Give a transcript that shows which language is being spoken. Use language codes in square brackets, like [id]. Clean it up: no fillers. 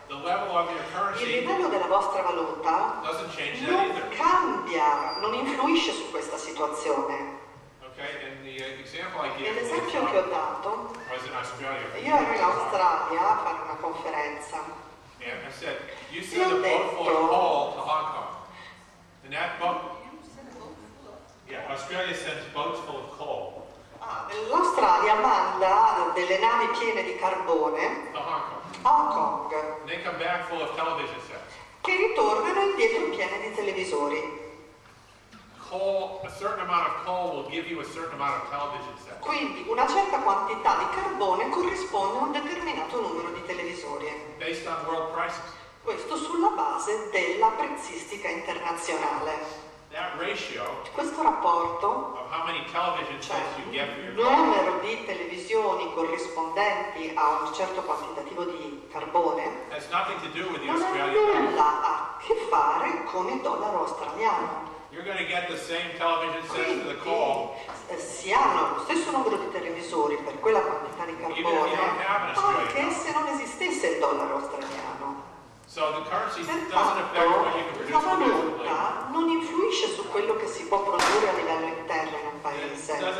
[it] Il livello della vostra valuta non cambia, non influisce su questa situazione. L'esempio che ho dato, io ero in Australia a fare una conferenza. [en] You sent a boat full of coal to Hong Kong. And that boat. Yeah, Australia sends boats full of coal. [it] L'Australia manda delle navi piene di carbone a Hong Kong. Hong Kong. [en] And they come back full of television sets. [it] Che ritornano indietro piene di televisori. [en] Coal, a certain amount of coal will give you a certain amount of television sets. [it] Quindi una certa quantità di carbone corrisponde a un determinato numero di televisori. [en] Based on world prices. [it] Questo sulla base della prezzistica internazionale. [en] That ratio, [it] questo rapporto, [en] of how many television sets, [it] cioè, [en] you get for your [it] numero di televisioni corrispondenti a un certo quantitativo di carbone, [en] has nothing to do with [it] non ha nulla a che fare con il dollaro australiano. [en] You're going to get the same television sets for the coal. [it] Si hanno lo stesso numero di televisori per quella quantità di carbone, anche se non esistesse il dollaro australiano. [en] So the currency doesn't affect what you can produce. [it] La valuta non influisce su quello che si può produrre a livello interno in un paese.